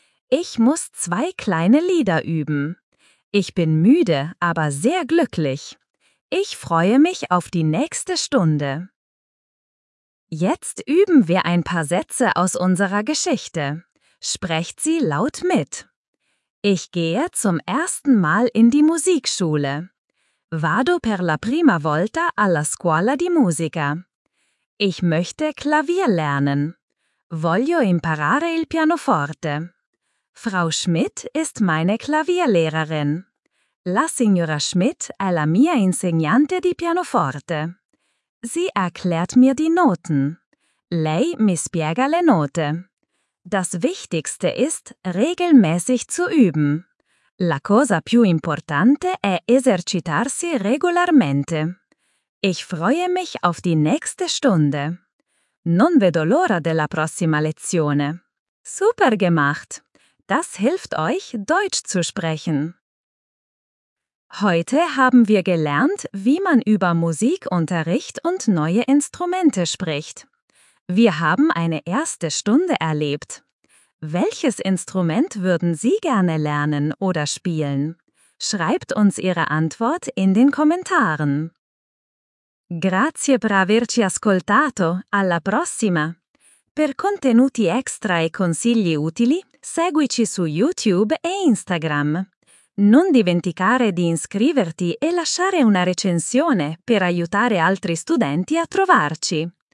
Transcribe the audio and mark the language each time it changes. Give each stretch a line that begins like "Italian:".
German: Ich muss zwei kleine Lieder üben. Ich bin müde, aber sehr glücklich. Ich freue mich auf die nächste Stunde. Jetzt üben wir ein paar Sätze aus unserer Geschichte. Sprecht sie laut mit. Ich gehe zum ersten Mal in die Musikschule.
Italian: Vado per la prima volta alla scuola di musica.
German: Ich möchte Klavier lernen.
Italian: Voglio imparare il pianoforte.
German: Frau Schmidt ist meine Klavierlehrerin.
Italian: La signora Schmidt è la mia insegnante di pianoforte.
German: Sie erklärt mir die Noten.
Italian: Lei mi spiega le note.
German: Das Wichtigste ist, regelmäßig zu üben.
Italian: La cosa più importante è esercitarsi regolarmente.
German: Ich freue mich auf die nächste Stunde.
Italian: Non vedo l'ora della prossima lezione.
German: Super gemacht! Das hilft euch, Deutsch zu sprechen. Heute haben wir gelernt, wie man über Musikunterricht und neue Instrumente spricht. Wir haben eine erste Stunde erlebt. Welches Instrument würden Sie gerne lernen oder spielen? Schreibt uns Ihre Antwort in den Kommentaren.
Italian: Grazie per averci ascoltato. Alla prossima! Per contenuti extra e consigli utili, seguici su YouTube e Instagram. Non dimenticare di iscriverti e lasciare una recensione per aiutare altri studenti a trovarci.